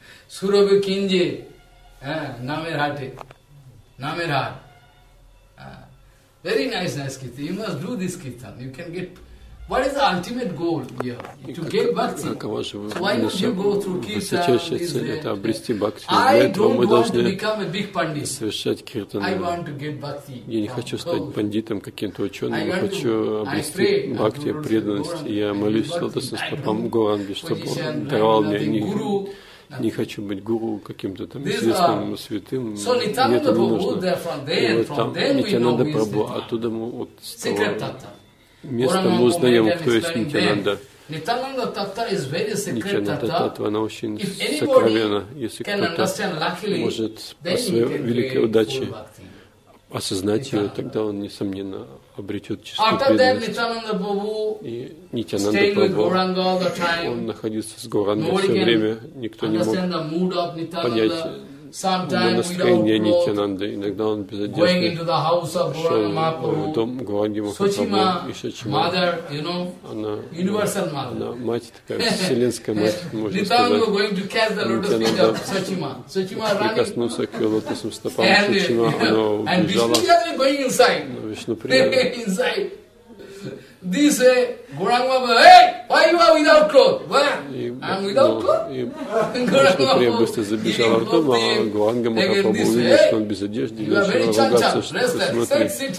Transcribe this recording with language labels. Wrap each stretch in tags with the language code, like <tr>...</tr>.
<ru>Сурабхи Кинджи, Намирхате, Намирхат.</ru> <en>Very nice, nice киртан. You must do this киртан, you can get... What is the ultimate goal here? To get bhakti. So why don't you go through kirtan?</en> <ru>Высочайшая цель – это обрести бхакти.</ru> <en>I don't want to become a big pandit.</en> <ru>Совершать киртан.</ru> <en>I want to get bhakti.</en> <ru>Я не хочу стать пандитом, каким-то ученым. Я хочу обрести бхакти, преданность. Я молюсь Лотосным Стопам Гуранги, чтобы он даровал мне. Не хочу быть гуру каким-то там известным святым. Мне это не нужно. И вот там Нитянанда Прабху, оттуда мы вот с того. Место мы узнаем, кто есть Нитянанда. Нитянанда Таттва, она очень сокровенна. Если кто-то может по своей великой удаче осознать ее, тогда он, несомненно, обретет чистую преданность. И Нитянанда Прабху, он находится с Гурангой все время, никто не мог понять,</ru> <en>Sometimes without clothes, going into the house of Gauranga Mahaprabhu, Sochima, mother, you know, she universal mother, Gauranga Mahaprabhu, Sochima, mother, you know, universal mother,</en> <ru>такая, вселенская мать, можно сказать. Nitananda</ru> <en>going to catch the lotus feet of Sochima. Sochima running. And Vishnu is going inside. Vishnu inside. This way, Gauranga Mahaprabhu, hey, why you are without clothes? Why?</en> <ru>Кришна Прия быстро забежала в дом, а Гуранга Махапрабху увидела, что он без одежды, и начала ругаться, что смотри.</ru>